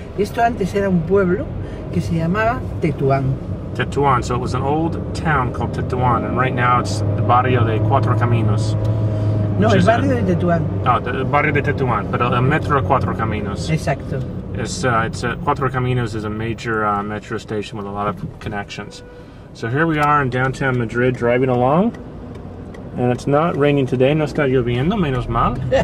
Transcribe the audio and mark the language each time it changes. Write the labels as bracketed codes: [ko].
[es] Esto antes era un pueblo que se llamaba Tetuán. Tetuán. [en] So it was an old town called Tetuán, and right now it's the Barrio de Cuatro Caminos. [es] No, el Barrio de Tetuán. El Barrio de Tetuán, pero el Metro Cuatro Caminos. Exacto. [en] Cuatro Caminos is a major metro station with a lot of connections. So here we are in downtown Madrid driving along. And it's not raining today, [es] no está lloviendo, menos mal.